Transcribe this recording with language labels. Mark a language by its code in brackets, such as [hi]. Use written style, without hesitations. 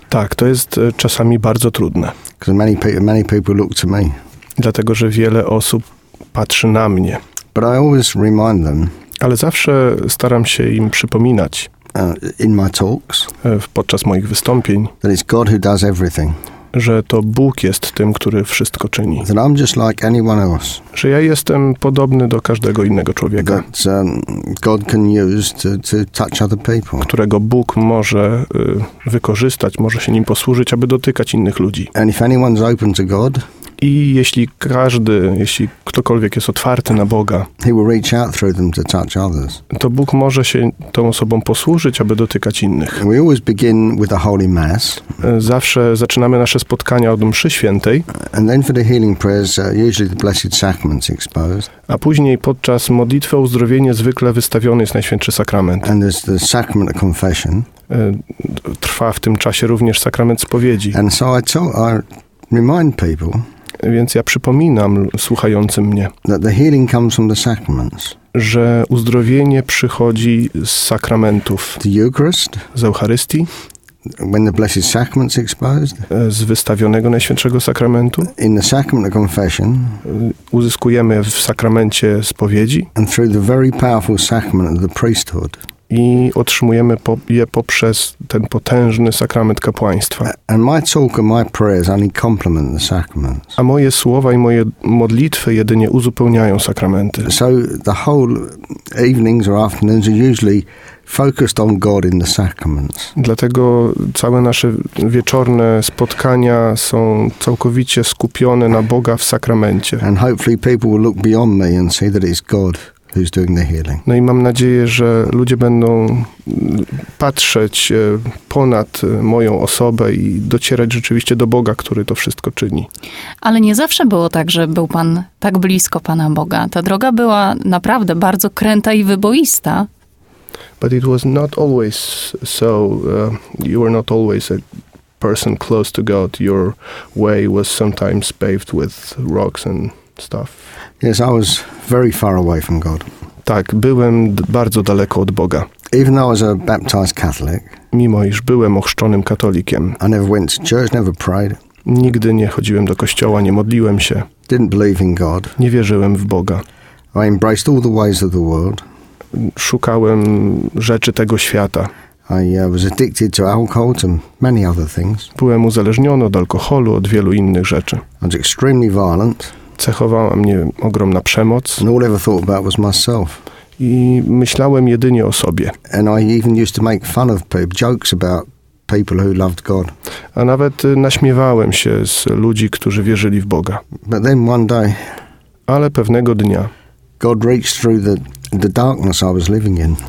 [pl] Tak, to jest czasami bardzo trudne. [en] Because many people look to me. [pl] Dlatego, że wiele osób patrzy na mnie. [en] But I always remind them. [pl] Ale zawsze staram się im przypominać. [en] In my talks. [pl] Podczas moich wystąpień. [en] That it's God who does everything. [pl] Że to Bóg jest tym, który wszystko czyni. [en] That I'm just like anyone else. [pl] Że ja jestem podobny do każdego innego człowieka. [en] That God can use to touch other people. [pl] Którego Bóg może wykorzystać, może się nim posłużyć, aby dotykać innych ludzi. [en] And if anyone's open to God. [pl] I jeśli każdy, jeśli ktokolwiek jest otwarty na Boga, [en] he will reach out through them to touch others. [pl] To Bóg może się tą osobą posłużyć, aby dotykać innych. [en] We always begin with a holy mass. [pl] Zawsze zaczynamy nasze spotkania od mszy świętej. [en] And then for the healing prayers, usually the blessed sacrament's exposed. [pl] A później podczas modlitwy o uzdrowienie zwykle wystawiony jest Najświętszy Sakrament. [en] And there's the sacrament of confession. [pl] Trwa w tym czasie również sakrament spowiedzi. [en] And so I remind people. [pl] Więc ja przypominam słuchającym mnie, [en] that the healing comes from the sacraments. [pl] Że uzdrowienie przychodzi z sakramentów. [en] The Eucharist, [pl] z Eucharystii. [en] When the blessed sacrament's exposed. [pl] Z wystawionego Najświętszego Sakramentu. [en] In the sacrament of confession. [pl] Uzyskujemy w sakramencie spowiedzi. [en] And through the very powerful sacrament of the priesthood. [pl] I otrzymujemy je poprzez ten potężny sakrament kapłaństwa. [en] And my talk and my prayers only complement the sacraments. [pl] A moje słowa i moje modlitwy jedynie uzupełniają sakramenty. [en] So the whole evenings or afternoons are usually focused on God in the sacraments. [pl] Dlatego całe nasze wieczorne spotkania są całkowicie skupione na Boga w sakramencie. [en] And hopefully people will look beyond me and see that it's God. Who's doing the healing. [pl] No i mam nadzieję, że ludzie będą patrzeć ponad moją osobę i docierać rzeczywiście do Boga, który to wszystko czyni. Ale nie zawsze było tak, że był Pan tak blisko Pana Boga. Ta droga była naprawdę bardzo kręta i wyboista. [en] But it was not always so. You were not always a person close to God. Your way was sometimes paved with rocks and stuff. Yes, I was very far away from God. [pl] Tak, byłem bardzo daleko od Boga. [en] Even though I was a baptized Catholic. [pl] Mimo iż byłem ochrzczonym katolikiem. [en] I never went to church, never prayed. [pl] Nigdy nie chodziłem do kościoła, nie modliłem się. [en] Didn't believe in God. [pl] Nie wierzyłem w Boga. [en] I embraced all the ways of the world. [pl] Szukałem rzeczy tego świata. [en] I was addicted to alcohol and many other things. [pl] Byłem uzależniony od alkoholu, od wielu innych rzeczy. [en] I was extremely violent. [pl] Cechowała mnie ogromna przemoc. [en] And all I ever thought about was myself. [pl] I myślałem jedynie o sobie. [en] And I even used to make fun of people, jokes about people who loved God. [pl] A nawet naśmiewałem się z ludzi, którzy wierzyli w Boga. [en] But then one day, [pl] ale pewnego dnia, [en] God reached through the darkness I was living in.